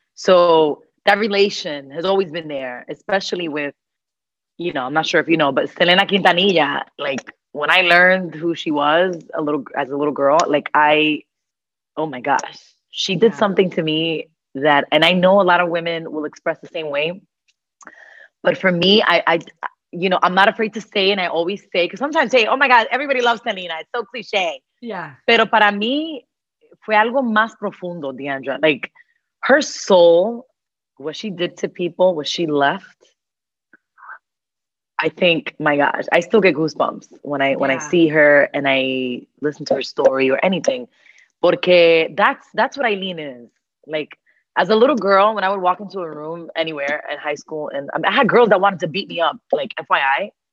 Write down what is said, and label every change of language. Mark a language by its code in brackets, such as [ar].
[en] So that relation has always been there, especially with, you know, I'm not sure if you know, but Selena Quintanilla, like when I learned who she was as a little girl, like oh my gosh, she did something to me that, and I know a lot of women will express the same way. But for me, I you know, I'm not afraid to say, and I always say, because sometimes say, oh my God, everybody loves Selena. It's so cliche. Yeah. [es] Pero para mí fue algo más profundo, Deandra. [en] Like her soul, what she did to people, what she left. I think, my gosh, I still get goosebumps when I see her and I listen to her story or anything. [es] Porque [en] that's what Aileen is. Like, as a little girl, when I would walk into a room anywhere in high school, and I had girls that wanted to beat me up, like, FYI.